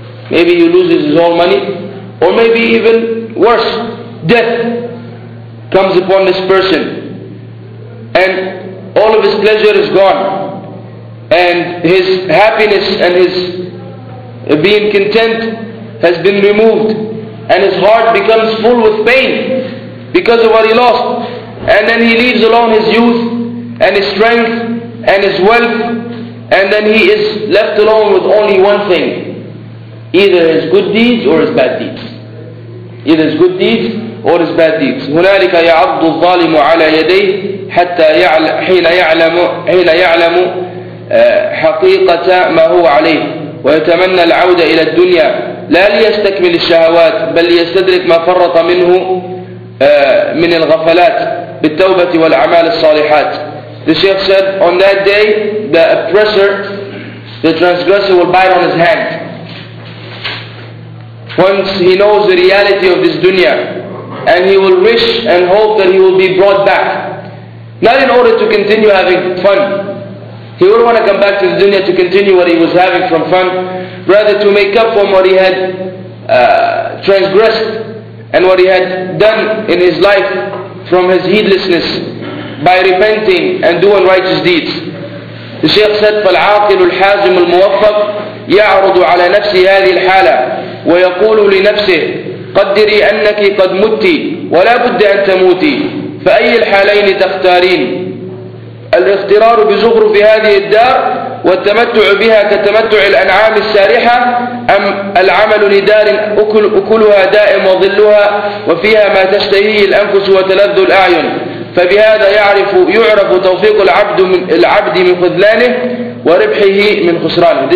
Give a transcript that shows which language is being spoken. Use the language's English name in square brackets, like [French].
[English] Maybe he loses his whole money, or maybe even worse, death comes upon this person, and all of his pleasure is gone, and his happiness and his being content has been removed, and his heart becomes full with pain because of what he lost. And then he leaves alone his youth and his strength and his wealth, and then he is left alone with only one thing: either his good deeds or his bad deeds. Either his good deeds or his bad deeds. [Arabic] هنالك يعض الظالم على يديه حتى حين يعلم حقيقة ما هو عليه ويتمنى العودة إلى الدنيا لا ليستكمل الشهوات بل ليستدرك ما فرط منه من الغفلات بالتوبة والأعمال الصالحات. [English] The Shaykh said, on that day, the oppressor the transgressor will bite on his hand. Once he knows the reality of this dunya, and he will wish and hope that he will be brought back. Not in order to continue having fun. He wouldn't want to come back to the dunya to continue what he was having from fun. Rather to make up for what he had transgressed and what he had done in his life from his heedlessness by repenting and doing righteous deeds. The Shaykh said, [Arabic] فَالْعَاقِلُ الْحَازِمُ الْمُوَفَّقُ يَعْرُضُ عَلَى نَفْسِي هَذِي الْحَالَةِ وَيَقُولُ لِنَفْسِهِ قَدِّرِي أَنَّكِ قَدْ مُتِّي وَلَا بُدَّ أَن تَمُوتِي فأي الحالين تختارين؟ الاغترار بزخرف هذه الدار والتمتع بها كتمتع الأنعام السارحة أم العمل لدار أكلها دائم وظلها وفيها ما تشتهيه الأنفس وتلذ الأعين؟ فبهذا يعرف توفيق العبد من خذلانه وربحه من خسرانه.